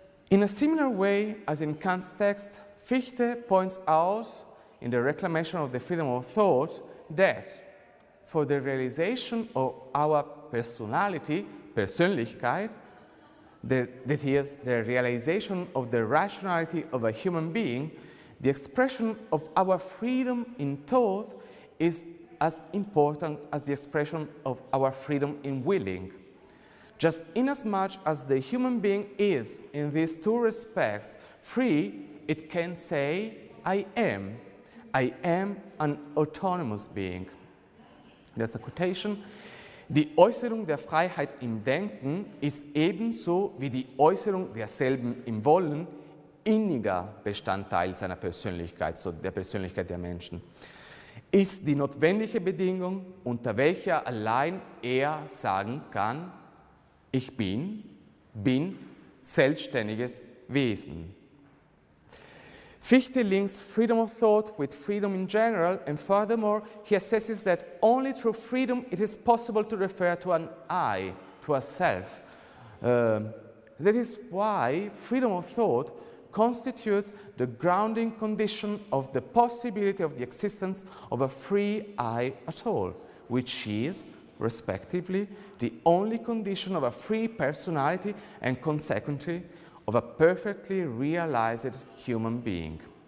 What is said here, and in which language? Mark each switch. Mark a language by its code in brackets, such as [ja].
[en] In a similar way as in Kant's text, Fichte points out in the reclamation of the freedom of thought that for the realization of our personality, Persönlichkeit, that is, the realization of the rationality of a human being, the expression of our freedom in thought is as important as the expression of our freedom in willing. Just inasmuch as the human being is, in these two respects, free, it can say, I am. I am an autonomous being. That's a quotation. [de] Die Äußerung der Freiheit im Denken ist ebenso wie die Äußerung derselben im Wollen inniger Bestandteil seiner Persönlichkeit, so der Persönlichkeit der Menschen. Ist die notwendige Bedingung, unter welcher allein er sagen kann, ich bin selbstständiges Wesen. [en] Fichte links freedom of thought with freedom in general, and furthermore, he assesses that only through freedom it is possible to refer to an I, to a self. That is why freedom of thought constitutes the grounding condition of the possibility of the existence of a free I at all, which is, respectively, the only condition of a free personality and consequently of a perfectly realized human being.